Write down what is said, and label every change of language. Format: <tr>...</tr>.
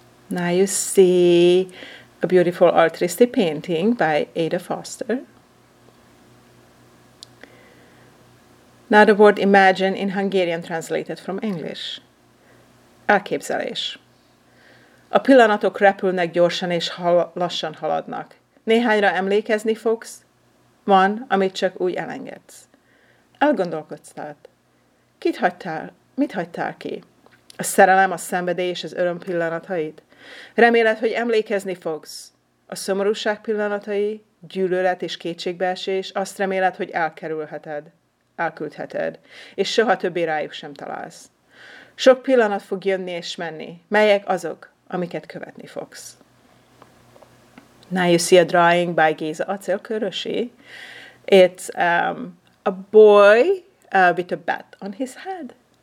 <en>Now you see a beautiful artistic painting by Ada Foster. Now the word imagine in Hungarian translated from English.</en> <hu>Elképzelés. A pillanatok repülnek gyorsan és lassan haladnak. Néhányra emlékezni fogsz, van, amit csak úgy elengedsz. Elgondolkodtál. Kit hagytál? Mit hagytál ki? A szerelem, a szenvedély és az öröm pillanatait? Reméled, hogy emlékezni fogsz. A szomorúság pillanatai, gyűlölet és kétségbeesés, azt reméled, hogy elkerülheted, elküldheted, és soha többé rájuk sem találsz. Sok pillanat fog jönni és menni. Melyek azok, amiket követni fogsz?</hu> <en>Now you see a drawing by Géza Acélkörösi. It's a boy with a bat on his head.</en>